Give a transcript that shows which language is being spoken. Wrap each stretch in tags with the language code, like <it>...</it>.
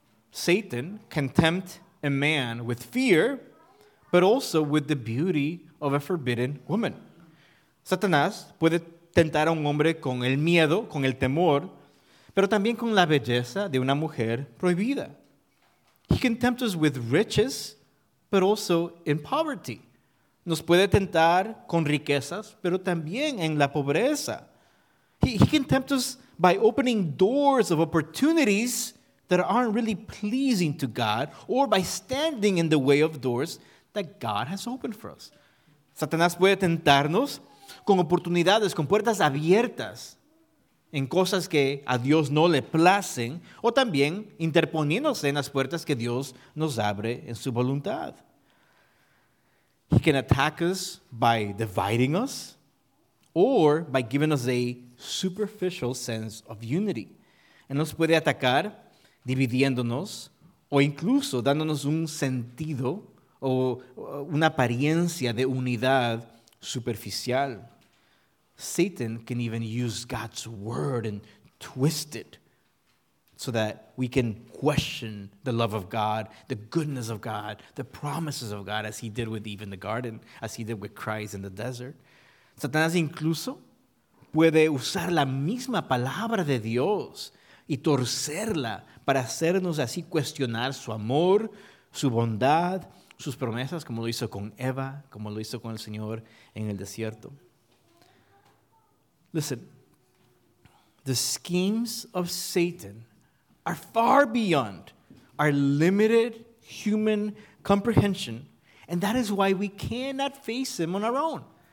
<en>Satan can tempt a man with fear, but also with the beauty of a forbidden woman.</en> <es>Satanás puede tentar a un hombre con el miedo, con el temor, pero también con la belleza de una mujer prohibida.</es> <en>He can tempt us with riches, but also in poverty.</en> <es>Nos puede tentar con riquezas, pero también en la pobreza.</es> <en>He can tempt us by opening doors of opportunities that aren't really pleasing to God, or by standing in the way of doors that God has opened for us.</en> <es>Satanás puede tentarnos con oportunidades, con puertas abiertas en cosas que a Dios no le placen, o también interponiéndose en las puertas que Dios nos abre en su voluntad.</es> <en>He can attack us by dividing us, or by giving us a superficial sense of unity.</en> <es>Él nos puede atacar dividiéndonos o incluso dándonos un sentido o una apariencia de unidad superficial.</es> <en>Satan can even use God's word and twist it so that we can question the love of God, the goodness of God, the promises of God, as he did with Eve in the garden, as he did with Christ in the desert.</en> <es>Satanás incluso puede usar la misma palabra de Dios y torcerla para hacernos así cuestionar su amor, su bondad, sus promesas, como lo hizo con Eva, como lo hizo con el Señor en el desierto.</es> <en>Listen, the schemes of Satan are far beyond our limited human comprehension, and that is why we cannot face him on our own.</en>